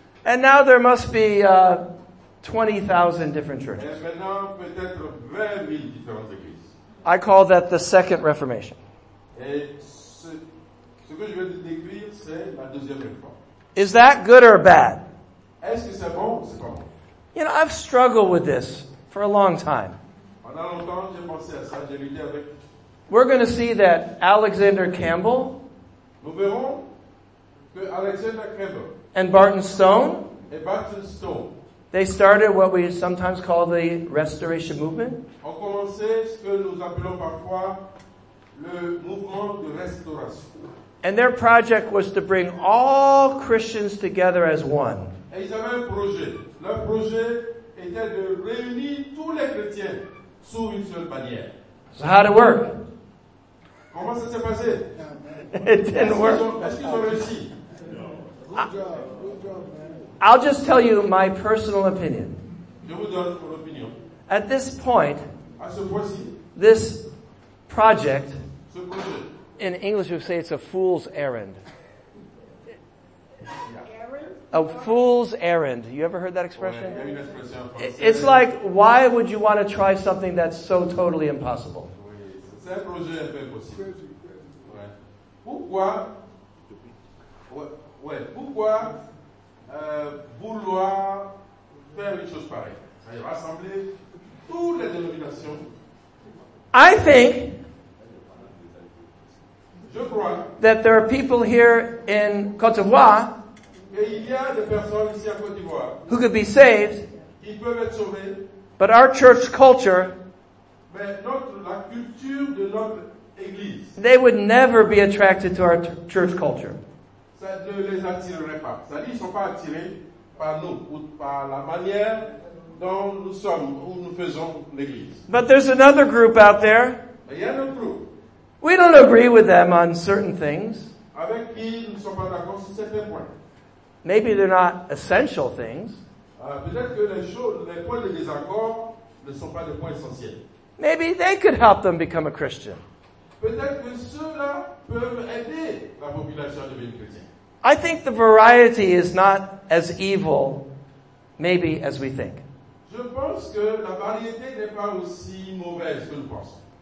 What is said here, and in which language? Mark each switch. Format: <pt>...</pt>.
<en>And now there must be 20,000 different churches.</en> <fr>Et maintenant, peut-être 20 000 différentes églises.</fr> <en>I call that the Second Reformation.</en> <fr>Ce que je vais décrire, c'est la deuxième réforme.</fr> <en>Is that good or bad?</en> <fr>Est-ce que c'est bon ou c'est pas bon?</fr> <en>You know, I've struggled with this for a long time.</en> <fr>Pendant longtemps, j'ai pensé à ça, j'ai lutté avec.</fr> <en>We're going to see that Alexander Campbell,</en> <fr>nous verrons que Alexander Campbell</fr> <en>and Barton Stone,</en> <fr>et Barton Stone,</fr> <en>they started what we sometimes call the Restoration Movement.</en> <fr>On commencé ce que nous appelons parfois le mouvement de restauration.</fr> <en>And their project was to bring all Christians together as one.</en> <fr>Et ils avaient un projet. Leur projet était de réunir tous les chrétiens sous une seule bannière.</fr> <en>So how'd it work?</en> <fr>Comment ça s'est passé?</fr> <en>It didn't work.</en> <fr>Est-ce qu'ils ont réussi?</fr> <en>I'll just tell you my personal opinion.</en> <fr>Je vous donne mon opinion.</fr> <en>At this point,</en> <fr>à ce point-ci,</fr> <en>this project,</en> <fr>ce projet,</fr> <en>in English we say it's a fool's errand. A fool's errand. You ever heard that expression? It's like, why would you want to try something that's so totally impossible?</en> <fr>C'est un projet un peu impossible. Ouais. Pourquoi vouloir faire une chose pareille? C'est-à-dire rassembler toutes les dénominations.</fr> <en>I think</en> <fr>je crois</fr> <en>that there are people here in Côte d'Ivoire,</en> <fr>et il y a des personnes ici à Côte d'Ivoire</fr> <en>who could be saved,</en> <fr>qui peuvent être sauvées,</fr> <en>but our church culture,</en> <fr>la culture de notre église,</fr> <en>they would never be attracted to our church culture.</en> <fr>Ça ne les attirerait pas. C'est-à-dire qu'ils ne sont pas attirés par nous ou par la manière dont nous sommes ou nous faisons l'église.</fr> <en>But there's another group out there.</en> <fr>Mais il y a un autre groupe.</fr> <en>We don't agree with them on certain things.</en> <fr>Avec qui nous ne sommes pas d'accord sur certains points.</fr> <en>Maybe they're not essential things.</en> <fr>Peut-être que les points de désaccord ne sont pas des points essentiels.</fr> <en>Maybe they could help them become a Christian.</en> <fr>Peut-être que ceux-là peuvent aider la population à devenir chrétienne.</fr> <en>I think the variety is not as evil, maybe, as we think.</en> <fr>Je pense que la variété n'est pas aussi mauvaise que nous pensons.</fr>